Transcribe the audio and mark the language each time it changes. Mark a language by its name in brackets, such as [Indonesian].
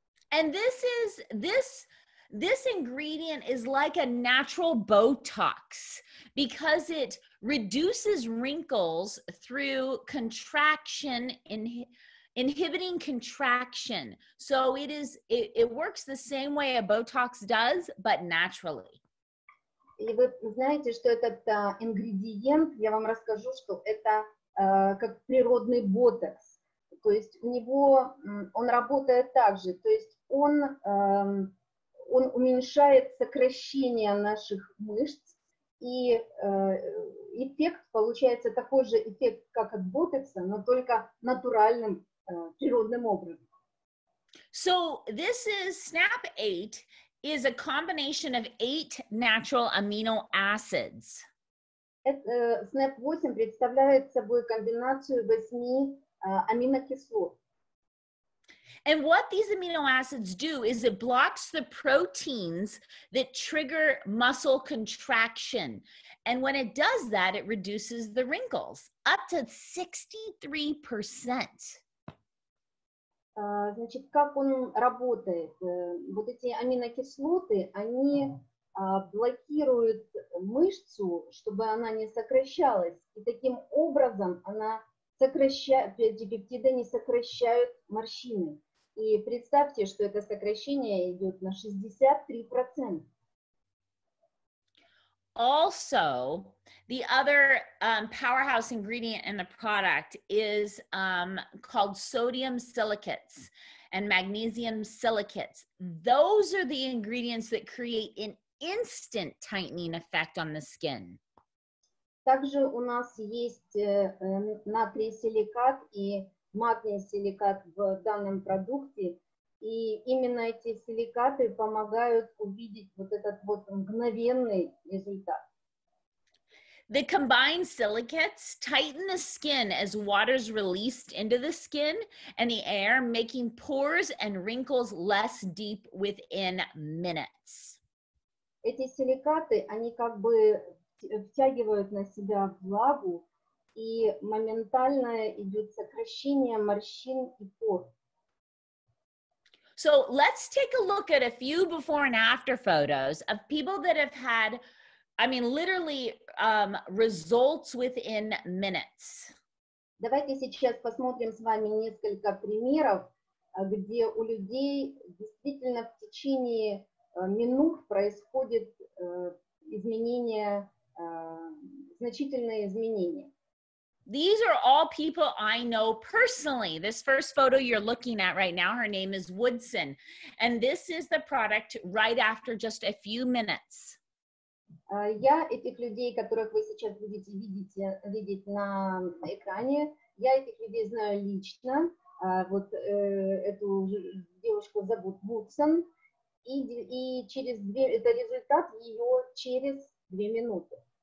[English] And this ingredient is like a natural Botox because it reduces wrinkles through contraction, inhibiting contraction. So it works the same way a Botox does, but naturally. [Russian] И вы знаете, что этот ингредиент, я вам расскажу, что это как природный Ботокс. То есть у него, он работает так же, то есть он уменьшает сокращение наших мышц, и эффект получается такой же эффект, как от Ботокса, но только натуральным, природным образом. [English] So this is SNAP8 is a combination of 8 natural amino acids. [Russian] SNAP8 представляет собой комбинацию 8 аминокислот. [English] And what these amino acids do is it blocks the proteins that trigger muscle contraction. And when it does that, it reduces the wrinkles up to 63%. [Russian] Значит, как он работает? Вот эти аминокислоты, они блокируют мышцу, чтобы она не сокращалась. И таким образом она сокращает, эти пептиды не сокращают морщины. И представьте, что это сокращение идет на 63%. [English] Also, the other powerhouse ingredient in the product is called sodium silicates and magnesium silicates. Those are the ingredients that create an instant tightening effect on the skin. [Russian] Также у нас есть натрий силикат и магний силикат в данном продукте, и именно эти силикаты помогают увидеть вот этот вот мгновенный результат. [English] The combined silicates tighten the skin as water is released into the skin and the air, making pores and wrinkles less deep within minutes. [Russian] Эти силикаты, они как бы втягивают на себя влагу, и моментально идет сокращение морщин и пор. [English] So let's take a look at a few before and after photos of people that have had, I mean, literally results within minutes. [Russian] Давайте сейчас посмотрим с вами несколько примеров, где у людей действительно в течение минут происходит изменение, значительное изменение. [English] These are all people I know personally. This first photo you're looking at right now, her name is Woodson. And this is the product right after just a few minutes. [Russian] Я этих людей, которых вы сейчас будете видеть на экране, я этих людей знаю лично. Вот эту девушку зовут Вудсон, и через две, это результат ее через две минуты.